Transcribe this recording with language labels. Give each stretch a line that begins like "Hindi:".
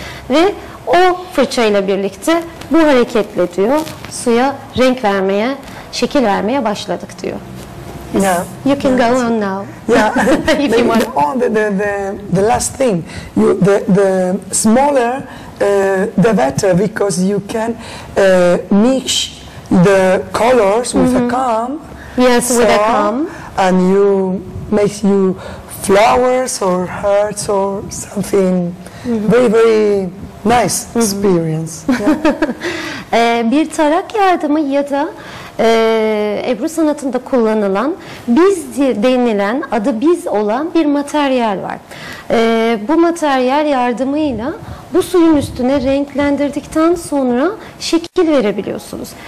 Turkish: Ve o fırçayla birlikte bu hareketle diyor suya renk vermeye, şekil vermeye başladık diyor.
English: Yeah. You can go on now. Yeah. If you want. The last thing, the smaller the better, because you can mix the colors with a comb. Yes, so, with a comb. And you make you flowers or hearts or something very very nice experience. Yeah.
Turkish: bir tarak yardımı ya da Ebru Sanatı'nda kullanılan biz denilen adı biz olan bir materyal var. Bu materyal yardımıyla bu suyun üstüne renklendirdikten sonra şekil verebiliyorsunuz.